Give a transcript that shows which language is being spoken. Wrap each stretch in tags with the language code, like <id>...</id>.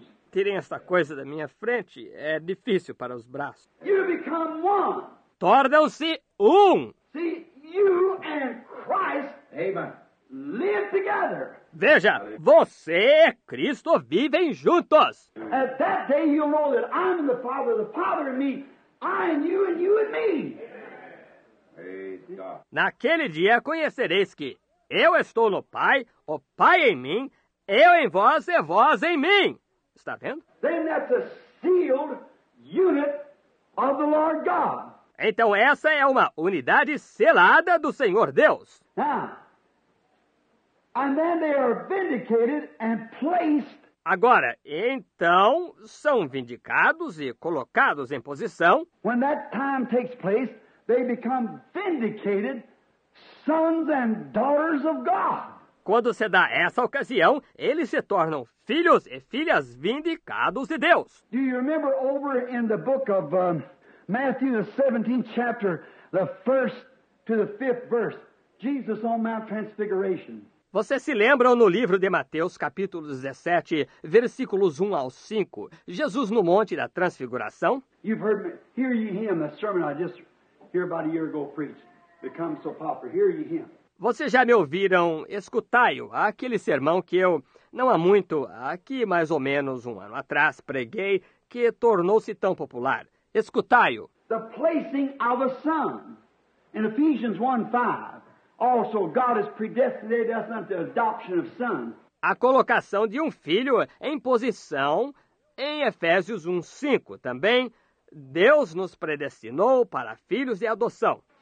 <pt>Tirem esta coisa da minha frente. É difícil para os braços.</pt> <en>You become one.</en> <pt>Tornam-se um.</pt> <en>See, you and Christ live together.</en> <pt>Veja, você e Cristo vivem juntos.</pt> <en>At that day you'll know that I'm in the Father in me, I in you and you in me.</en> <pt>Naquele dia conhecereis que eu estou no Pai, o Pai em mim, eu em vós e vós em mim. Está vendo?</pt> <en>Then that's a sealed unit of the Lord God.</en> <pt>Então essa é uma unidade selada do Senhor Deus.</pt> <en>Now, and then they are vindicated and placed.</en> <pt>Agora, então são vindicados e colocados em posição.</pt> <en>When that time takes place, they become vindicated sons and daughters of God.</en> <pt>Quando se dá essa ocasião, eles se tornam filhos e filhas vindicados de Deus.</pt> <en>Do you remember over in the book of Matthew, the 17th chapter, the first to the fifth verse, Jesus on Mount Transfiguration?</en> <pt>Vocês se lembram no livro de Mateus, capítulo 17, versículos 1 ao 5, Jesus no Monte da Transfiguração?</pt> <en>You've heard me, hear ye him, a sermon I just here about a year ago preached, become so popular. Hear ye him.</en> <pt>Vocês já me ouviram, escutai-o, aquele sermão que eu, não há muito, aqui mais ou menos um ano atrás, preguei, que tornou-se tão popular. Escutai-o.</pt> <en>The placing of a son. In Ephesians 1:5, also God has predestinated us unto the adoption of sons.</en> <pt>A colocação de um filho em posição em Efésios 1:5 também. Deus nos predestinou para filhos e adoção.</pt>